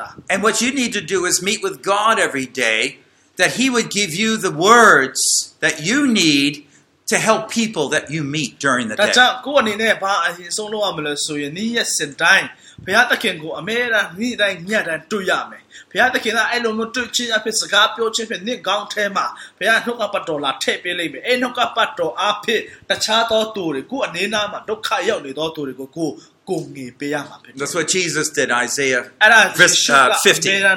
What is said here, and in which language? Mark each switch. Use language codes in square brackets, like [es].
[en] and what you need to do is meet with God every day that he would give you the words that you need to help people that you meet during the day. [my] ဒါကြောင့်ကိုယ်အနေနဲ့ဘာအရင်ဆုံးလုပ်ရမလဲဆိုရင်ဒီရက်စတိုင်းဘုရားသခင်ကိုအမေရာဒီတိုင်းညတိုင်းတွေ့ရမယ်ဘုရားသခင်ကအဲ့လိုမျိုးတွေ့ချင်းအဖြစ်စကားပြောချင်းဖြစ်နေကောင်းထဲမှာဘုရားနှုတ်ကပတ်တော်လာထည့်ပေးလိမ့်မယ်အဲ့နှုတ်ကပတ်တော်အဖြစ်တခြားသောသူတွေကိုယ်အနေနဲ့မှာဒုက္ခရောက်နေသောသူတွေကိုကိုယ် [en] That's what Jesus did, Isaiah 50.